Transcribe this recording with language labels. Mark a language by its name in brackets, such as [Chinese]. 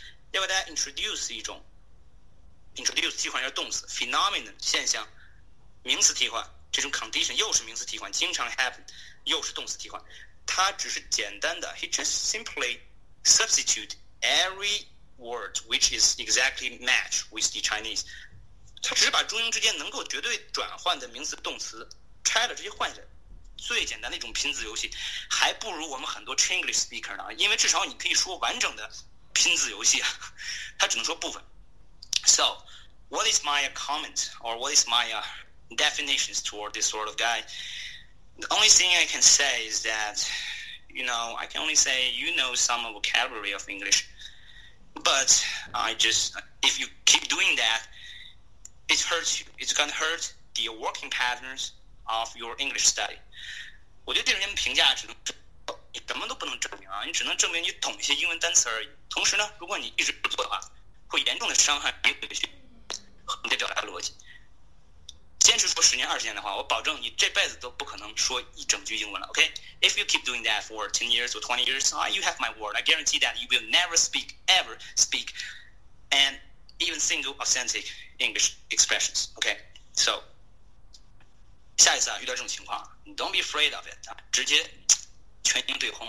[Chinese] 要给大家 introduce 替换一下动词 phenomenon 现象，名词替换这种 condition 又是名词替换，经常 happen 又是动词替换，它只是简单的 [English] he just simply substitute every word which is exactly match with the Chinese。 [Chinese] 他只是把中英之间能够绝对转换的名词、动词拆了，直接换下来，最简单的一种拼字游戏，还不如我们很多 Chinglish speaker 呢。因为至少你可以说完整的拼字游戏啊，他只能说部分。 [English] So, what is my comment or what is my definitions toward this sort of guy? The only thing I can say is that, you know, I can only say you know some vocabulary of English, but I just if you keep doing that. It hurts you. It's gonna hurt the working patterns of your English study. [Chinese] 我觉得这人评价只能你什么都不能证明啊，你只能证明你懂一些英文单词而已。同时呢，如果你一直不做的话，会严重的伤害英语的学和你的表达逻辑。坚持说10年20年的话，我保证你这辈子都不可能说一整句英文了。 [English] OK? If you keep doing that for 10 years or 20 years, you have my word. I guarantee that you will never speak ever speak and even single authentic. English expressions. Okay, so [Chinese] 下一次啊，遇到这种情况 [English] ，don't be afraid of it 啊， [Chinese] 直接全英对轰。